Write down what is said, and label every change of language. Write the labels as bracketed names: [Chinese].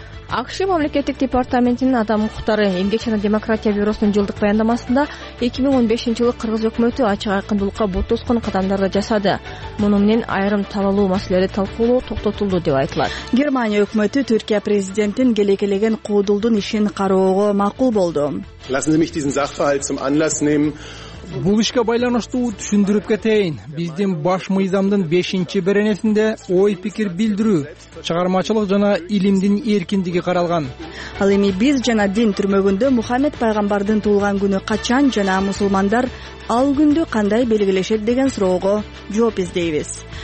[Kyrgyz] АКШ мамлекеттик департаментинин адам укуктары эмгек жана демократия бюросунун жылдык баяндамасында 2015 жылы кыргыз өкмөтү ачык айкындылыкка бут тоскон кадамдарды жасады. Муну менен айрым талалуу маселелерди талкуулоо токтотулду деп айтылат. Германия өкмөтү Түркия президентин келекелеген куудулдун ишин кароого макул болду. [German] Lassen Sie mich diesen Sachverhalt zum Anlass nehmen. [Kyrgyz] Бул ишке байланыштуу түшүндүрүп кетейин. Биздин баш мыйзамдын 5-чи беренесинде ой пикир билдирүү, чыгармачылык жана илимдин эркиндиги каралган. Ал эми биз жана дин түрмөгүндө Мухаммед пайгамбардын туулган күнү качан жана мусулмандар ал күндү кандай белгилешет деген суроого жооп издейбиз.